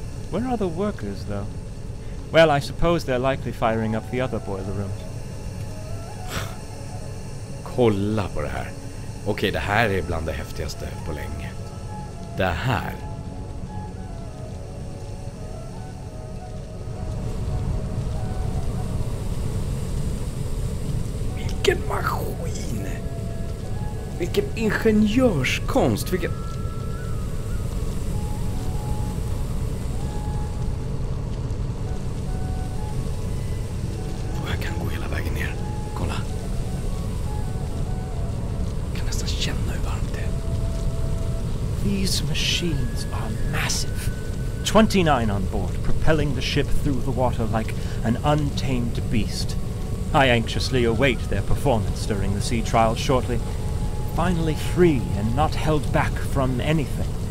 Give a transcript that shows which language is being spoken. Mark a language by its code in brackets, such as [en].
[en] Where are the workers, though? Well, I suppose they're likely firing up the other boiler rooms. [sv] Kolla på det här. Okej, det här är bland det häftigaste på länge. Det här. Vilken maskin! Vilken ingenjörskonst! Vilken... Och jag kan gå hela vägen ner. Kolla. Jag kan nästan känna hur varmt det är. [en] These machines are massive. 29 on board, propelling the ship through the water like an untamed beast. I anxiously await their performance during the sea trial shortly. Finally free and not held back from anything.